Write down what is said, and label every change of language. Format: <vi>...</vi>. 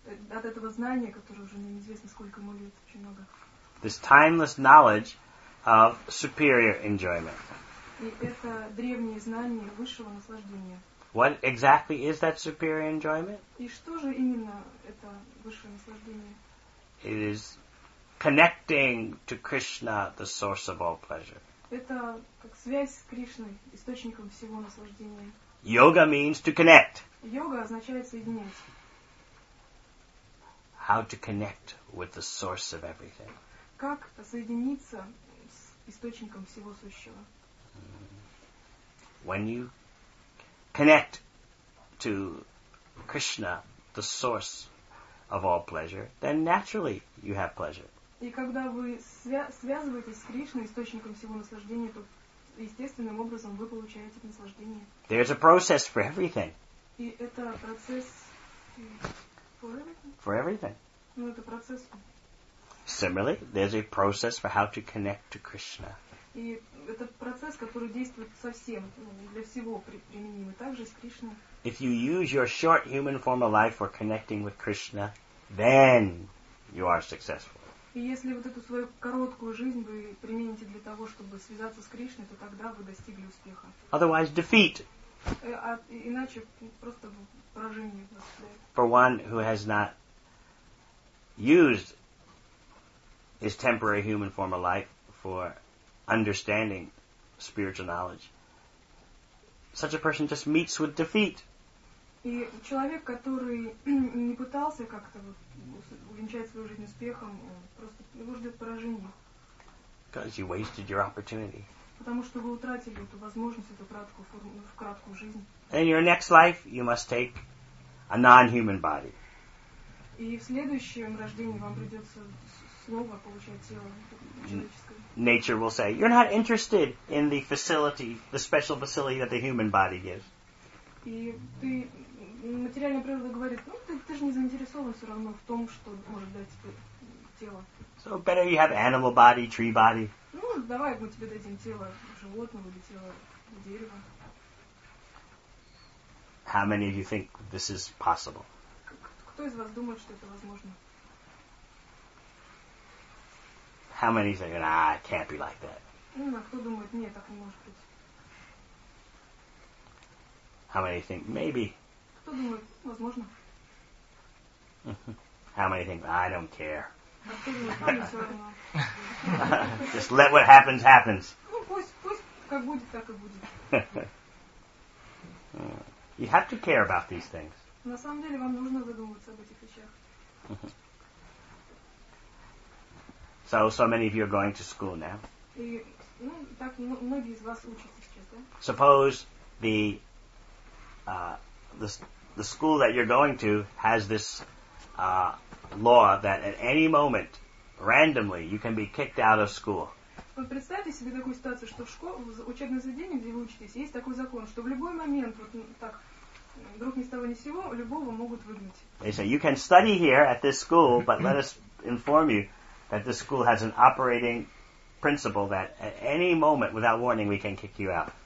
<ru>От этого знания, которое уже неизвестно сколько ему лет, очень много.</ru> <en>This timeless knowledge of superior enjoyment.</en> <ru>И это древнее знание высшего наслаждения.</ru> <en>What exactly is that superior enjoyment?</en> <ru>И что же именно это высшее наслаждение?</ru> <en>It is connecting to Krishna, the source of all pleasure.</en> <ru>Это как связь с Кришной, источником всего наслаждения.</ru> <en>Yoga means to connect.</en> <ru>Йога означает соединять.</ru> <en>How to connect with the source of everything.</en> <ru>Как соединиться с источником всего сущего?</ru> <en>When you connect to Krishna, the source of all pleasure, then naturally you have pleasure.</en> <ru>И когда вы связываетесь с Кришной, источником всего наслаждения, то естественным образом вы получаете наслаждение.</ru> <en>There's a process for everything.</en> <ru>И это процесс</ru> <en>for everything.</en> <ru>Ну, это процесс.</ru> <en>Similarly, there's a process for how to connect to Krishna.</en> <ru>И этот процесс, который действует совсем, ну, для всего применимый, также с Кришной.</ru> <en>If you use your short human form of life for connecting with Krishna, then you are successful.</en> <ru>И если вот эту свою короткую жизнь вы примените для того, чтобы связаться с Кришной, то тогда вы достигли успеха.</ru> <en>Otherwise, defeat.</en> <ru>Иначе просто поражение.</ru> <en>For one who has not used his temporary human form of life for understanding spiritual knowledge, such a person just meets with defeat.</en> <ru>И человек, который не пытался как-то увенчать свою жизнь успехом, просто его ждет поражение.</ru> <en>Because you wasted your opportunity.</en> <ru>Потому что вы утратили эту возможность, эту краткую форму, в краткую жизнь.</ru> <en>In your next life, you must take a non-human body.</en> <ru>И в следующем рождении вам придется снова получать тело человеческое.</ru> <en>Nature will say, you're not interested in the facility, the special facility that the human body gives.</en> <ru>И ты, материальная природа говорит, ну, ты же не заинтересован все равно в том, что может дать тело.</ru> <en>So better you have animal body, tree body.</en> <ru>Ну, давай мы тебе дадим тело животного или тело дерева.</ru> <en>How many of you think this is possible?</en> <ru>Кто из вас думает, что это возможно?</ru> <en>How many think, nah, it can't be like that?</en> <ru>А кто думает, нет, так не может быть?</ru> <en>How many think, maybe?</en> <ru>Кто думает, возможно?</ru> <en>How many think, I don't care?</en> <ru>Думает,</ru> <en>just let what happens, happens.</en> <ru>Ну, пусть как будет, так и будет.</ru> <en>You have to care about these things.</en> <ru>На самом деле, вам нужно задумываться об этих вещах.</ru> <en>So many of you are going to school now.</en> <ru>И, ну, так, многие из вас учатся сейчас, да?</ru> <en>Suppose the school that you're going to has this law that at any moment, randomly, you can be kicked out of school.</en> <ru>Вот представьте себе такую ситуацию, что в учебном заведении, где вы учитесь, есть такой закон, что в любой момент, вот так, вдруг ни с того ни с сего, любого могут выгнать.</ru> <en>They say, you can study here at this school, but let us inform you that this school has an operating principle that at any moment, without warning, we can kick you out.</en>